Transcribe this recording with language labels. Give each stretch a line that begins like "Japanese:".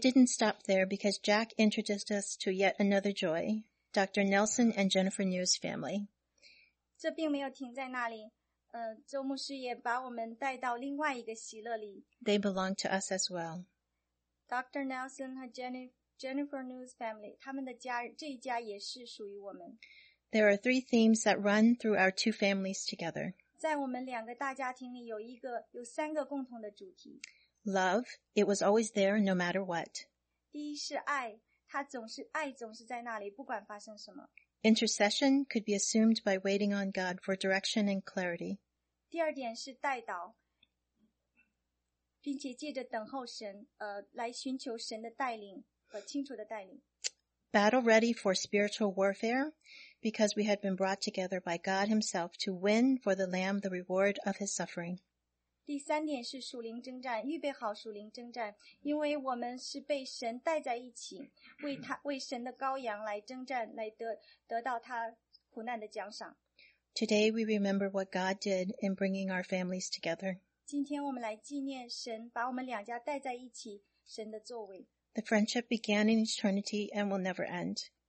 English: didn't stop there because Jack introduced us to yet another joy, Dr. Nelson and Jennifer New's family.
Chinese: 这并没有停在那里，周牧师也把我们带到另外一个喜乐里。
English: They belong to us as well.
Chinese: Dr. Nelson 和 Jennifer New's family, 他们的家，这一家也是属于我们。
English: There are three themes that run through our two families together.
Chinese: 在我们两个大家庭里有三个共同的主题。
English: Love, it was always there no matter what.
Chinese: 第一是爱，它总是爱总是在那里，不管发生什么。
English: Intercession could be assumed by waiting on God for direction and clarity.
Chinese: 第二点是代祷，并且借着等候神，来寻求神的带领和清楚的带领。
English: Battle ready for spiritual warfare, because we had been brought together by God himself to win for the Lamb the reward of his suffering.
Chinese: 第三点是属灵征战，预备好属灵征战，因为我们是被神带在一起，为他为神的羔羊来征战，来得到他苦难的奖赏。
English: Today we remember what God did in bringing our families together.
Chinese: 今天我们来纪念神把我们两家带在一起，神的作为。
English: The friendship began in eternity and will never end.